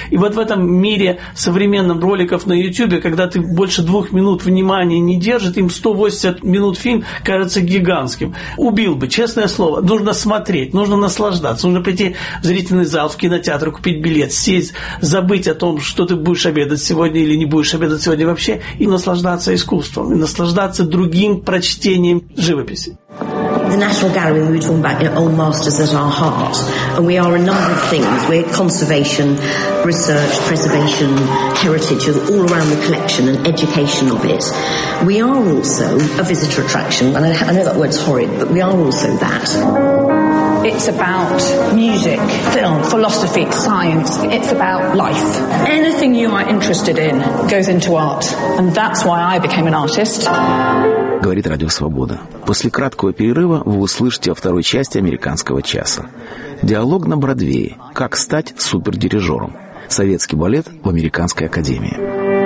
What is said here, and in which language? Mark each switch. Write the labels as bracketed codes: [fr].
[ru] И вот в этом мире современных роликов на YouTube, когда ты больше 2 минут внимания не держит, им 180 минут фильм кажется гигантским. Убил бы, честное слово. Нужно смотреть, нужно наслаждаться, нужно прийти в зрительный зал, в кинотеатр, купить билет, сесть, забыть о том, что ты будешь обедать сегодня или не будешь обедать сегодня вообще, и наслаждаться искусством, и наслаждаться другим прочтением живописи. [en] The National Gallery, we were talking about, you know, old masters at our heart. And we are a number of things. We're conservation, research, preservation, heritage of all around the collection and education of it. We are also a visitor attraction. And I know that word's horrid, but we are also that. It's about music, film, philosophy, science. It's about life. Anything you are interested in goes into art. And that's why I became an artist. [ru] Говорит Радио Свобода. После краткого перерыва вы услышите о второй части «Американского часа». Диалог на Бродвее. Как стать супердирижером. Советский балет в Американской академии.